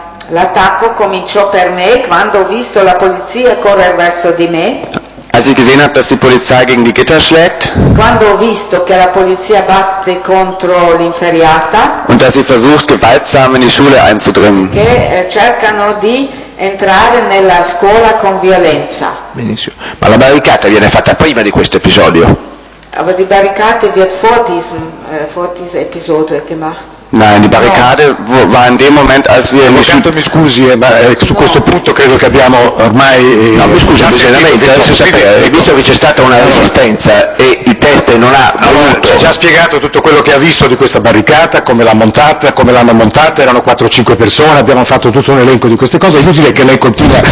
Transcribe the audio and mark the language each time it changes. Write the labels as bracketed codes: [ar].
[it] L'attacco cominciò per me quando ho visto la polizia correre verso di me. [de] Als ich gesehen habe, dass die Polizei gegen die Gitter schlägt. [it] Quando ho visto che la polizia batte contro l'inferriata. [de] Und dass sie versucht, gewaltsam in die Schule einzudringen. [it] Che cercano di entrare nella scuola con violenza. Benissimo. Ma la barricata viene fatta prima di questo episodio. [de] Aber die Barrikade wird vor diesem Episode gemacht. Nein, die Barrikade war in dem Moment, als wir in Schule. [it] Mi scusi, ma su questo punto credo che abbiamo ormai. No, mi scusi, visto che c'è stata una resistenza e il teste non ha. Ci ha già spiegato tutto quello che ha visto di questa barricata, come l'hanno montata, erano 4-5 persone, abbiamo fatto tutto un elenco di queste cose, è inutile che lei continua